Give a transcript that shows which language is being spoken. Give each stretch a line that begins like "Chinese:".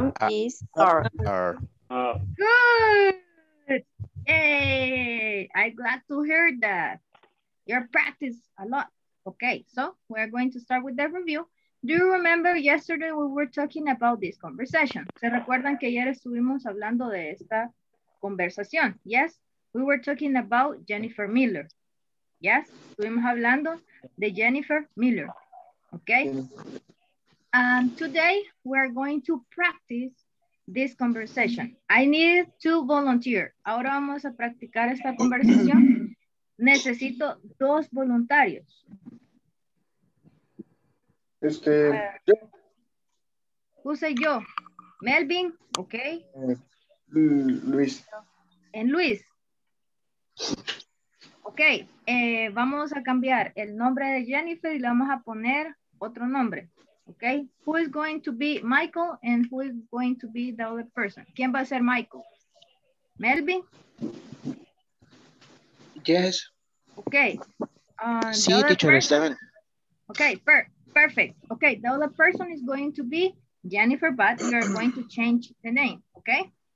English: Is, are. Are. Good. Yay. I'm glad to hear that. You're practice a lot. Okay, so we're going to start with the review. Do you remember yesterday we were talking about this conversation?
Spanish: ¿Se recuerdan que ayer estuvimos hablando de esta conversación?
English: Yes, we were talking about Jennifer Miller. Yes,
Spanish: estuvimos hablando de Jennifer Miller.
English: Okay. Today we're going to practice this conversation. I need to volunteer.
Spanish: Ahora vamos a practicar esta conversación. Necesito dos voluntarios. Este, yo.
English: Who say yo? Melvin, okay. Luis.
Spanish: En Luis. Okay, vamos a cambiar el nombre de Jennifer y le vamos a poner otro nombre, okay.
English: Who is going to be Michael and who is going to be the other person?
Spanish: ¿Quién va a ser Michael? Melvin?
English: Yes. Okay.
Spanish: Sí, teacher, está bien.
English: Okay, perfect. Okay, the other person is going to be Jennifer, but we are going to change the name, okay?